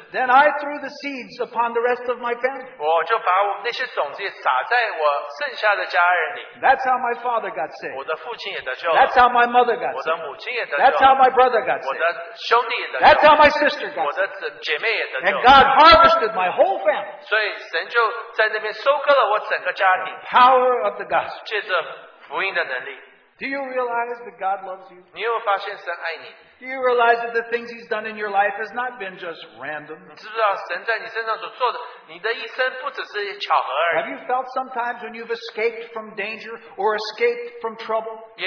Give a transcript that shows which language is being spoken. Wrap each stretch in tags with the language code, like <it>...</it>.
<en>then I threw the seeds upon the rest of my family.</en> <zh>我就把那些种子撒在我剩下的家人里。</zh> <en>That's how my father got saved.</en> <zh>我的父亲也得救了。</zh> <en>That's how my mother got saved.</en> <zh>我的母亲也得救了。</zh> <en>That's how my brother got saved.</en> <zh>我的兄弟也得救了。</zh> <en>That's how my sister got saved.</en> <zh>我的姐妹也得救了。</zh> <en>And God harvested my whole family.</en> <zh>所以神就在那边收割了我整个家庭。</zh> <en>Power of the gospel.</en> <zh>借着福音的能力。</zh> <en>Do you realize that God loves you?</en> <zh>你有发现神爱你?</zh> <en>Do you realize that the things He's done in your life has not been just random?</en> <zh>你知不知道神在你身上所做的,你的一生不只是巧合而已。</zh> <en>Have you felt sometimes when you've escaped from danger or escaped from trouble?</en>